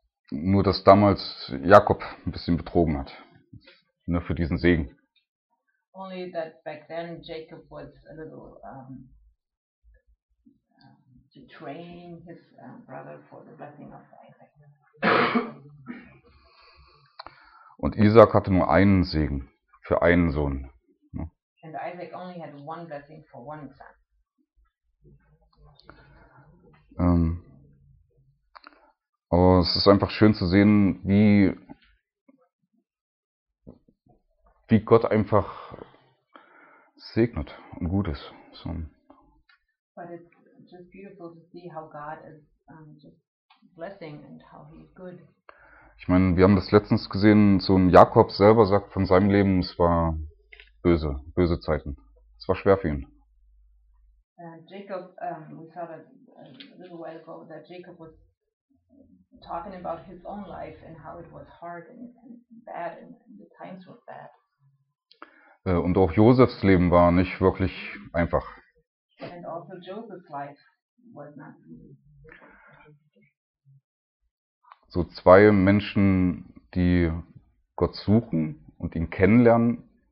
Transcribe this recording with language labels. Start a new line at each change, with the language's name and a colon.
German: Nur dass damals Jakob ein bisschen betrogen hat, nur für diesen Segen.
English: Only that back then Jacob was a little train his brother for the blessing of Isaac.
German: Und Isaac hatte nur einen Segen für einen Sohn.
English: And Isaac only had one blessing for one son.
German: Aber es ist einfach schön zu sehen, wie Gott einfach segnet und gut ist. So.
English: Just beautiful to see how God is just blessing and how he is good.
German: Ich meine, wir haben das letztens gesehen, so ein Jakob selber sagt von seinem Leben, es war böse, böse Zeiten. Es war schwer für ihn.
English: Jacob, we saw that a little while ago, that Jacob was talking about his own life and how it was hard and bad and the times were bad.
German: Und auch Josefs Leben war nicht wirklich einfach.
English: And also Joseph's life was not.
German: So zwei Menschen, die Gott suchen und ihn kennenlernen.